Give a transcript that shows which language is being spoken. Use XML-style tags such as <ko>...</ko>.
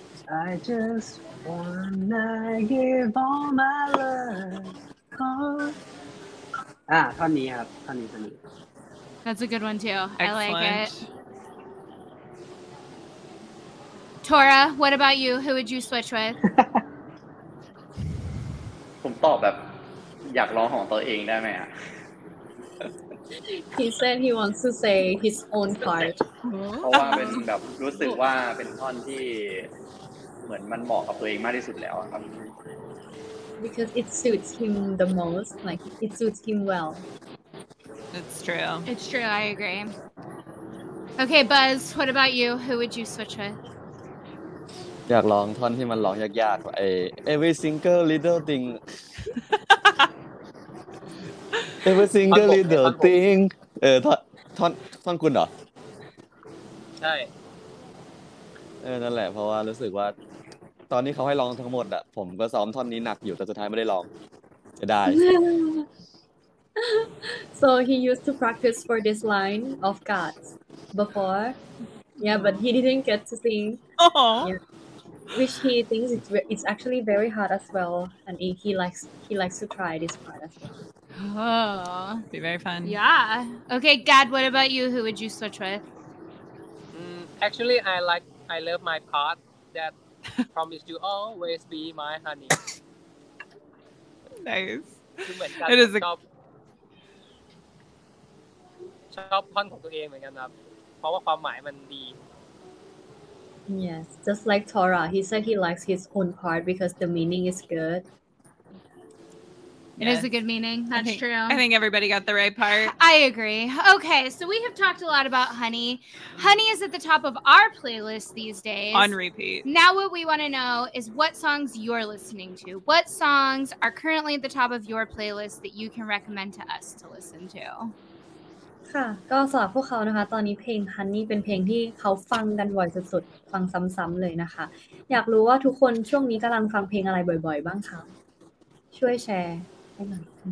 <en>I just wanna give all my love. Ah, ton nee, huh? Ton nee, ton nee. That's a good one, too. Excellent. I like it. Tora, what about you? Who would you switch with?</en> <th>ผมตอบแบบอยากร้องของตัวเองได้ไหมอ่ะ</th> <en>He said he wants to say his own part.</en> <th>เพราะว่าเป็นแบบรู้สึกว่าเป็นท่อนที่เหมือนมันเหมาะกับตัวเองมากที่สุดแล้วครับ</th> <en>Because it suits him the most. Like, it suits him well. It's true. It's true, I agree. Okay, Buzz, what about you? Who would you switch with?</en> <th>อยากร้องท่อนที่มันร้องยากๆไอ้</th> <en>Every single little thing</en> <th>Every single little thing เออท่อนคุณเหรอ ใช่เออนั่นแหละเพราะว่ารู้สึกว่าตอนนี้เขาให้ร้องทั้งหมดอะผมก็ซ้อมท่อนนี้หนักอยู่แต่สุดท้ายไม่ได้ร้องจะได้</th> <en>So he used to practice for this line of cards before yeah but he didn't get to sing oh yeah. Which he thinks it's actually very hard as well, and he likes to try this part as well. Oh, be very fun. Yeah. Okay, Dad. What about you? Who would you switch with? Actually, I love my part that promised to always be my honey. Nice. It is a.</en> <th>ชอบท่อนของตัวเองเหมือนกันครับเพราะว่าความหมายมันดี</th> <en>Yes, just like Tora, he said he likes his own part because the meaning is good. It yes. is a good meaning. That's true. I think everybody got the right part. I agree. Okay, so we have talked a lot about Hunnis. Hunnis is at the top of our playlist these days. On repeat. Now what we want to know is what songs you're listening to. What songs are currently at the top of your playlist that you can recommend to us to listen to?</en> <th>ค่ะก็สำหรับพวกเขานะคะตอนนี้เพลง Hunnis เป็นเพลงที่เขาฟังกันบ่อยสุดๆฟังซ้ำๆเลยนะคะอยากรู้ว่าทุกคนช่วงนี้กำลังฟังเพลงอะไรบ่อยๆบ้างคะช่วยแชร์ให้หน่อย</th>